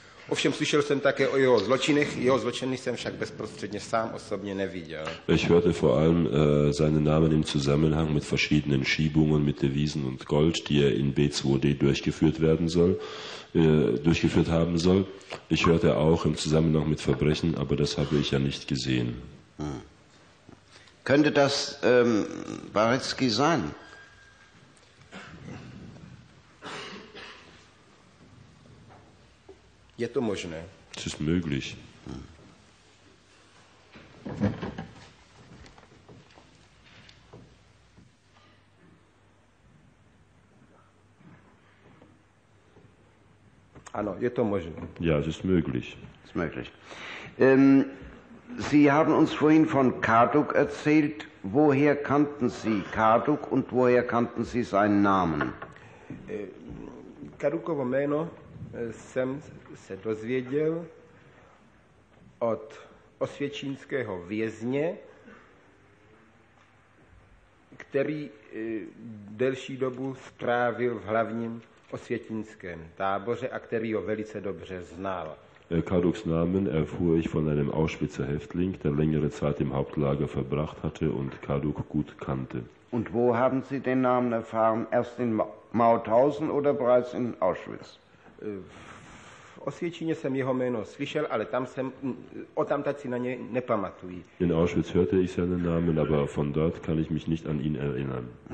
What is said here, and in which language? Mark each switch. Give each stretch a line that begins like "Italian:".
Czech: Ovšem slyšel jsem také o jeho zločinech, jeho zločiny jsem však bezprostředně sám osobně neviděl.
German: Ich hörte vor allem seinen Namen im Zusammenhang mit verschiedenen Schiebungen, mit Devisen und Gold, die er in B2D durchgeführt haben soll. Ich hörte auch im Zusammenhang mit Verbrechen, aber das habe ich ja nicht gesehen. Könnte das Baretzky sein?
Czech: Je to možné.
German: Es ist möglich.
Czech: Ano, je to možné.
German: Ja, es ist möglich. Es ist möglich. Sie haben uns vorhin von Kaduk erzählt. Woher kannten Sie Kaduk und woher kannten Sie seinen Namen?
Czech: Kadukovo meno sem se dozvěděl od osvěčínského vězně, který delší dobu strávil v hlavním osvětínském táboře a který ho velice dobře znal.
German: Kaduks Namen erfuhr ich von einem Auschwitzer Häftling, der längere Zeit im Hauptlager verbracht hatte und Kaduk gut kannte. Und wo haben Sie den Namen erfahren? Erst in Mauthausen oder bereits in Auschwitz?
Czech: Osvětíně jsem jeho jméno slyšel, ale tam jsem o tamtad si na něj nepamatuji.
German: In Auschwitz hörte ich seinen Namen, aber von dort kann ich mich nicht an ihn erinnern.